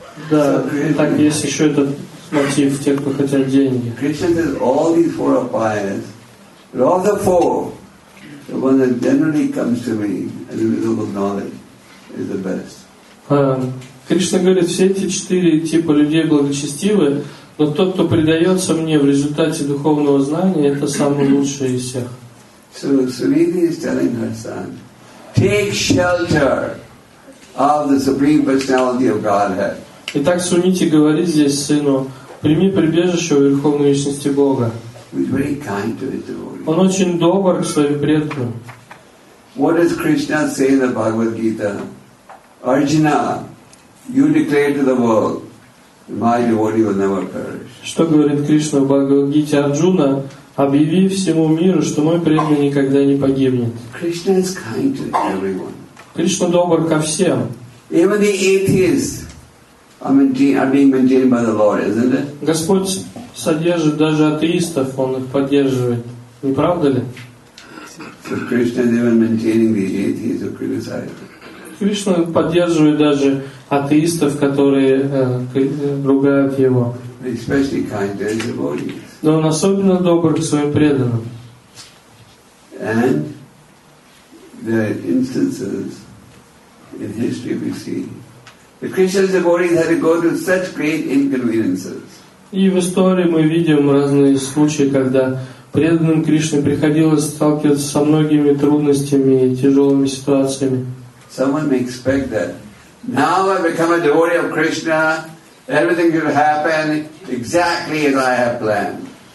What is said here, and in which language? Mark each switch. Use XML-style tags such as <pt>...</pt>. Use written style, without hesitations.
<ru>Да, так есть еще этот мотив тех, кто хотят деньги.</ru> <en>Krishna says all these four are pious. But of the four, the one that generally comes to me as a result of knowledge is the best.</en> <ru>Кришна говорит, все эти четыре типа людей благочестивы, но тот, кто предается мне в результате духовного знания, это самый лучший из всех.</ru> <en>So Sunidhi is telling her son, take shelter of the Supreme Personality of Godhead.</en> <ru>Итак, Сунити говорит здесь сыну, прими прибежище у Верховной Личности Бога.</ru> <en>He's very kind to his devotees.</en> <ru>Он очень добр к своим предкам.</ru> <en>What does Krishna say in the Bhagavad Gita? Arjuna, you declare to the world, my devotee will never perish.</en> <ru>Что говорит Кришна в Бхагавад-гите? Арджуна, Объяви всему миру, что мой преданный никогда не погибнет.</ru> <en>Krishna is kind to everyone.</en> <ru>Кришна добр ко всем.</ru> <en>Even the atheists are being maintained by the Lord, isn't it?</en> <ru>Господь содержит даже атеистов, Он их поддерживает. Не правда ли?</ru> <en>So Krishna is even maintaining the atheists who criticize.</en> <ru>Кришна поддерживает даже атеистов, которые ругают Его.</ru> <en>Especially kind to his devotees.</en> <ru>Но он особенно добр к своим преданным.</ru> <en>And the instances in history we see, the Krishna's devotees had to go through such great inconveniences.</en> <ru>И в истории мы видим разные случаи, когда преданным Кришне приходилось сталкиваться со многими трудностями и тяжелыми ситуациями.</ru> <en>Someone may expect that now I become a devotee of Krishna, everything will happen exactly as I have planned.</en>